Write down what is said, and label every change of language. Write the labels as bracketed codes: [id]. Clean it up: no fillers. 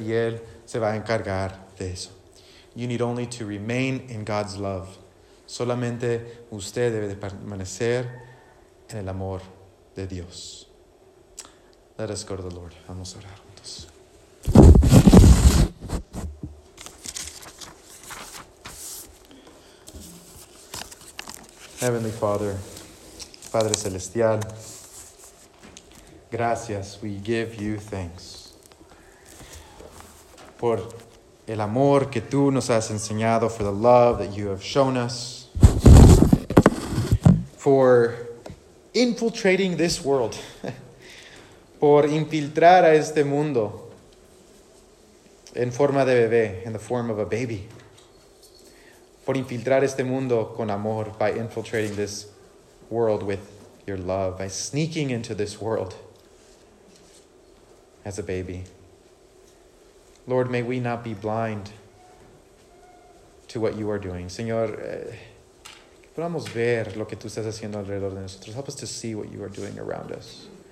[es] Y él se va a encargar de eso. [en] You need only to remain in God's love. [es] Solamente usted debe de permanecer en el amor de Dios. [en] Let us go to the Lord. [es] Vamos a orar juntos. [en] Heavenly Father, [es] Padre Celestial, gracias, [en] we give you thanks [es] por el amor que tú nos has enseñado, [en] for the love that you have shown us, for infiltrating this world, [es] por infiltrar a este mundo en forma de bebé, [en] in the form of a baby. [es] Por infiltrar este mundo con amor, [en] by infiltrating this world with your love, by sneaking into this world as a baby. Lord, may we not be blind to what you are doing. [es] Señor, que podamos ver lo que tú estás haciendo alrededor de nosotros. [en] Help us to see what you are doing around us.